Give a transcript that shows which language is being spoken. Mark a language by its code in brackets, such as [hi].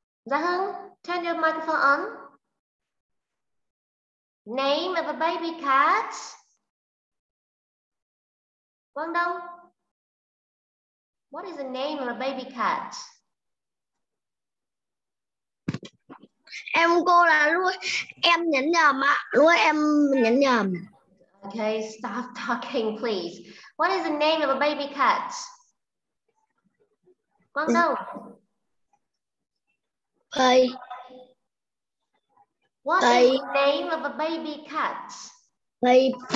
[en] Giao Hưng, turn your microphone on. Name of a baby cat. Quang Đông, what is the name of a baby cat? [vi] Em cô là luôn, em nhấn nhầm ạ, luôn em nhấn nhầm. [en] Okay, stop talking, please. What is the name of a baby cat? Quang Đông. Hey. What hey. Is the name of a baby cat? Hey.